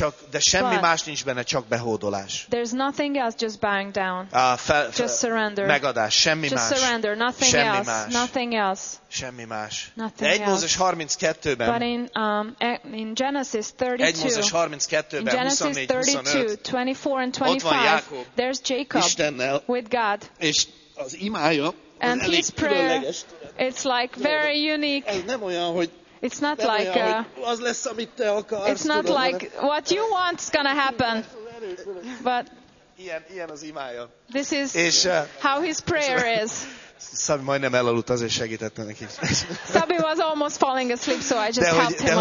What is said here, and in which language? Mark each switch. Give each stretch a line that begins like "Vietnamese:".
Hungarian: De semmi más nincs benne, csak behódolás.
English: There's nothing else, just bowing down. Just surrender.
Hungarian: Megadás, semmi
English: just
Hungarian: más.
English: Just surrender, nothing
Hungarian: semmi
English: else.
Hungarian: Más.
English: Nothing else.
Hungarian: Semmi más.
English: Nothing
Hungarian: 1 Mózes 32-ben.
English: But in Genesis 32.
Hungarian: 1 Mózes 32-ben
English: 24 and 25. There's Jacob.
Hungarian: Istennel.
English: With God.
Hungarian: És az imája.
English: And his prayer, it's like very unique.
Hungarian: Ez nem olyan, hogy
English: it's not like
Hungarian: az lesz, amit te akarsz.
English: It's not like what you want is gonna happen. But
Hungarian: ilyen az imája.
English: This is how his prayer is.
Hungarian: Szabi majdnem elaludt, azért segítette neki.
English: Szabi was almost falling asleep, so I just helped him a little